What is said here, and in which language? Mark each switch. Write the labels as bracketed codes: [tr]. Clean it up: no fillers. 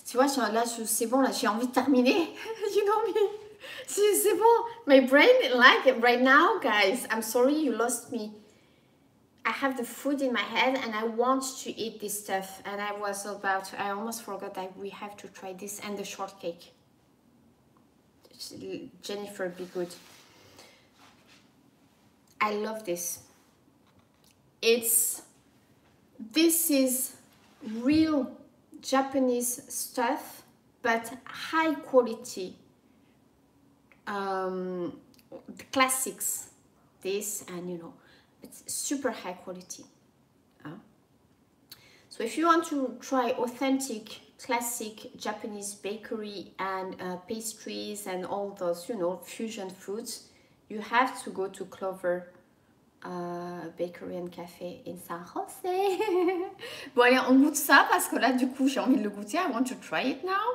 [fr] Tu vois, là, c'est bon, là, j'ai envie de terminer. [en] You know me. C'est bon. My brain, like, right now, guys, I'm sorry you lost me. I have the food in my head and I want to eat this stuff. And I was about, I almost forgot that we have to try this and the shortcake. Jennifer, be good. I love this. This is real Japanese stuff, but high quality. The classics, this and you know. It's super high quality. So if you want to try authentic, classic Japanese bakery and pastries and all those, you know, fusion foods, you have to go to Clover Bakery and Cafe in San Jose. [fr] Bon allez, on goûte ça parce que là du coup j'ai envie de le goûter. I want to try it now.